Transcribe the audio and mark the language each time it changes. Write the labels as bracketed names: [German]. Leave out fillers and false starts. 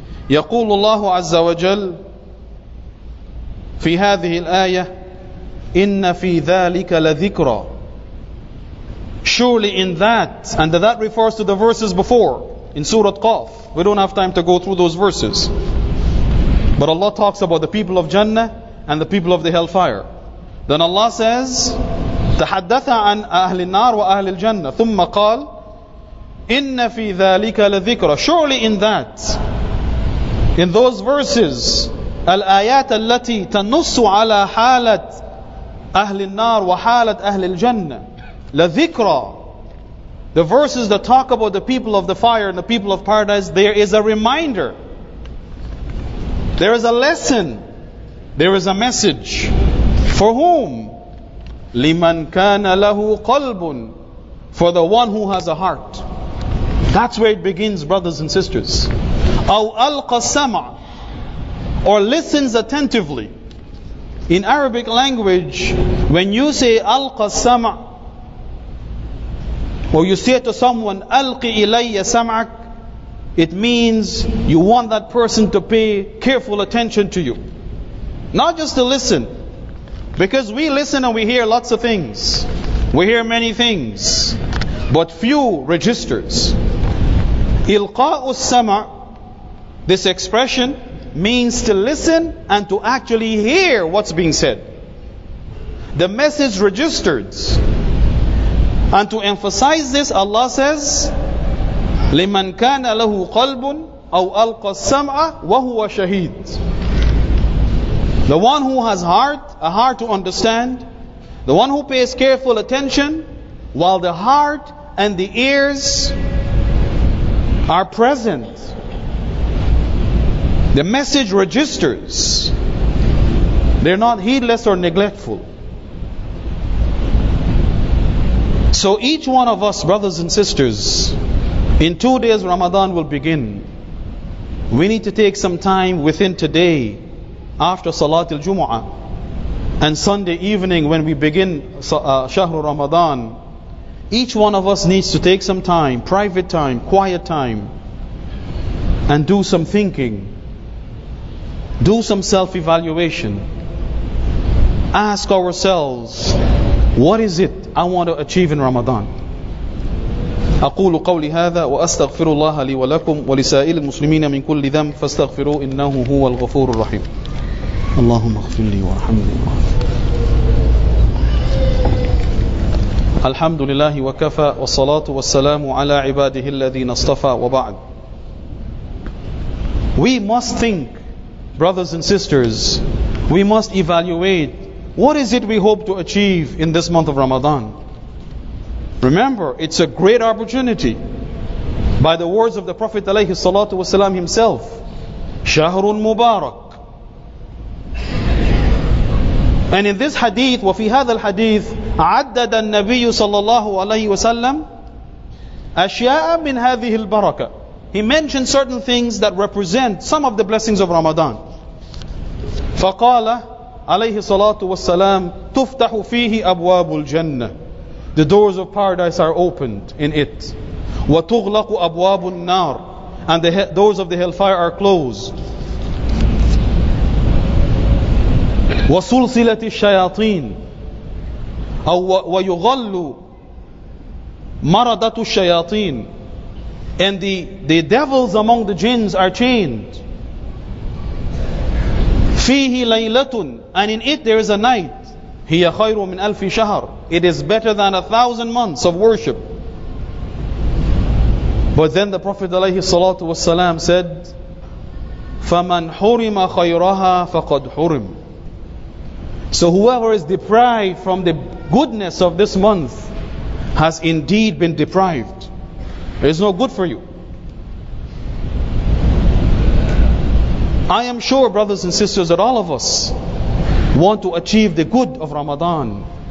[Arabic] يقول الله عز وجل في هذه الآية إن في ذلك لذكرى, [English] surely in that, and that refers to the verses before in Surah Qaf. We don't have time to go through those verses, but Allah talks about the people of Jannah and the people of the hellfire. Then Allah says, [Arabic] تحدث عن أهل النار وأهل الجنة ثم قال إن في ذلك لذكرى, [English] surely in that, in those verses, [Arabic] الآيات التي تنص على حالة أهل النار وحالة أهل الجنة. لذكرى. [English] The verses that talk about the people of the fire and the people of paradise, there is a reminder. There is a lesson. There is a message. For whom? [Arabic] لِمَنْ كَانَ لَهُ قَلْبٌ. [English] For the one who has a heart. That's where it begins, brothers and sisters. [Arabic] أَوْ أَلْقَ السَّمَعَ. [English] Or listens attentively. In Arabic language, when you say [Arabic] أَلْقَ السَّمَعَ, [English] or you say to someone, [Arabic] أَلْقِ إِلَيَّ سَمْعَكَ, [English] it means you want that person to pay careful attention to you. Not just to listen. Because we listen and we hear lots of things. We hear many things. But few registers. [Arabic] إِلْقَاءُ السَّمَعَ, [English] this expression means to listen and to actually hear what's being said. The message registered. And to emphasize this, Allah says, [Arabic] لِمَنْ كَانَ لَهُ قَلْبٌ أَوْ أَلْقَ السَّمْعَ وَهُوَ شَهِيدٌ. [English] The one who has heart, a heart to understand, the one who pays careful attention, while the heart and the ears are present. The message registers. They're not heedless or neglectful. So each one of us, brothers and sisters, in 2 days Ramadan will begin. We need to take some time within today, after Salatul Jumu'ah, and Sunday evening when we begin Shahru Ramadan. Each one of us needs to take some time, private time, quiet time, and do some thinking. Do some self-evaluation. Ask ourselves, what is it I want to achieve in Ramadan? [Arabic] أقول قولي هذا وأستغفر الله لي ولكم ولسائر المسلمين من كل ذنب فاستغفروا إنه هو الغفور الرحيم. اللهم اغفر لي وارحمني. الحمد لله وكفى والصلاة والسلام على عباده الذين اصطفى وبعد. [English] We must think, brothers and sisters, we must evaluate, what is it we hope to achieve in this month of Ramadan? Remember, it's a great opportunity. By the words of the Prophet alayhi salatu wasalam himself, [Arabic] Shahrun Mubarak. [English] And in this hadith, [Arabic] وفي هذا الحديث, عدد النبي صلى الله عليه وسلم أشياء من هذه البركة. [English] He mentioned certain things that represent some of the blessings of Ramadan. [Arabic] فقال عليه الصلاة والسلام تفتح فيه أبواب الجنة. [English] The doors of paradise are opened in it. [Arabic] وتغلق أبواب النار. [English] And the doors of the hellfire are closed. [Arabic] وسلسلة الشياطين أو ويغل مردة الشياطين. [English] And the devils among the jinns are chained. [Arabic] فيه ليلة. [English] And in it there is a night. [Arabic] هي خير من ألف شهر. [English] It is better than 1,000 months of worship. But then the Prophet [Arabic] عليه الصلاة والسلام [English] said, [Arabic] فمن حرم خيرها فقد حرم. [English] So whoever is deprived from the goodness of this month has indeed been deprived. There is no good for you. I am sure, brothers and sisters, that all of us want to achieve the good of Ramadan.